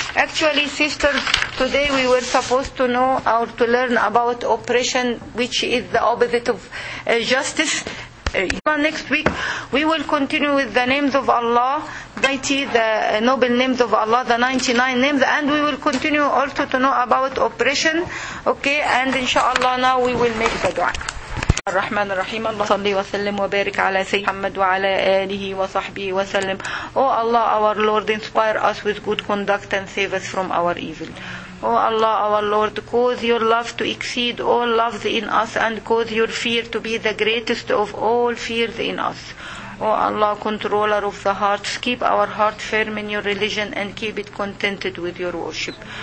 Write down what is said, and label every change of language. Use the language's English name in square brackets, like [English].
[English] Actually, sisters, today we were supposed to know or to learn about oppression, which is the opposite of justice. Next week, we will continue with the names of Allah, the noble names of Allah, the 99 names, and we will continue also to know about oppression. Okay? And inshallah, now we will make the dua. [Arabic] الرحمن الرحيم الله صل وسلم وبارك على سيدنا محمد وعلى آله وصحبه وسلم. [English] O Allah, our Lord, inspire us with good conduct and save us from our evil. O Allah, our Lord, cause your love to exceed all loves in us and cause your fear to be the greatest of all fears in us. O Allah, controller of the hearts, keep our heart firm in your religion and keep it contented with your worship.